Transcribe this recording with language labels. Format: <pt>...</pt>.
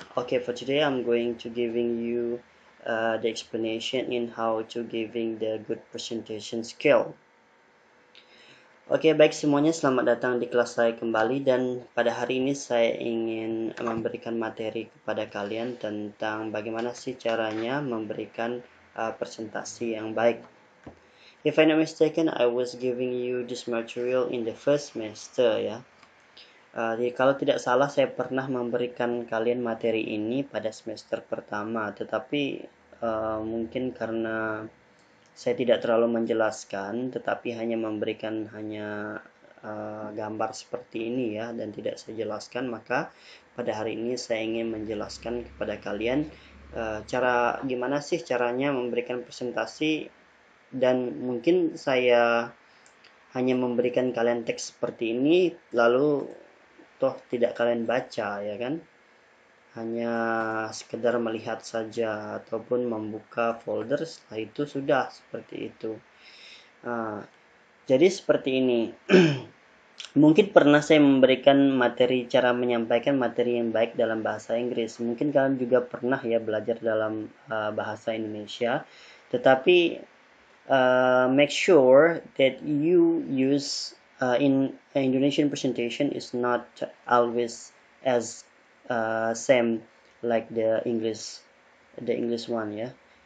<en>Okay, for today I'm going to giving you the explanation in how to giving the good presentation skill.</en> <id>Okay, baik semuanya, selamat datang di kelas saya kembali, dan pada hari ini saya ingin memberikan materi kepada kalian tentang bagaimana sih caranya memberikan presentasi yang baik.</id> <en>If I'm not mistaken, I was giving you this material in the first semester, ya.</en> <id>Jadi kalau tidak salah, saya pernah memberikan kalian materi ini pada semester pertama. Tetapi mungkin karena saya tidak terlalu menjelaskan, tetapi hanya memberikan hanya gambar seperti ini, ya, dan tidak saya jelaskan. Maka pada hari ini saya ingin menjelaskan kepada kalian cara gimana sih caranya memberikan presentasi. Dan mungkin saya hanya memberikan kalian teks seperti ini, lalu toh tidak kalian baca, ya kan? Hanya sekedar melihat saja, ataupun membuka folder, setelah itu sudah, seperti itu. Jadi seperti ini. Mungkin pernah saya memberikan materi, cara menyampaikan materi yang baik dalam bahasa Inggris. Mungkin kalian juga pernah ya belajar dalam bahasa Indonesia.</id> <en>Tetapi make sure that you use in Indonesian presentation is not always as same like the English one, yeah.</en>